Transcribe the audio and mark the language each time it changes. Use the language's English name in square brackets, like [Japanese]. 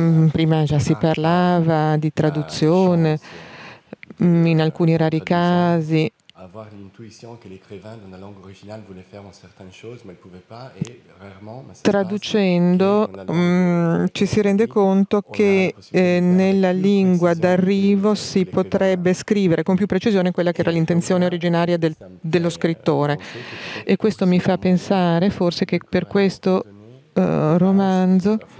[Italian] Prima già si parlava di traduzione, in alcuni rari casi. [French] Avoir l'intuition che l'écrivain dans la langue originale voulait faire une certaine chose, ma il pouvait pas, e rarement. [Italian] Traducendo, ci si rende conto che nella lingua d'arrivo si potrebbe scrivere con più precisione quella che era l'intenzione originaria dello scrittore. E questo mi fa pensare forse che per questo romanzo.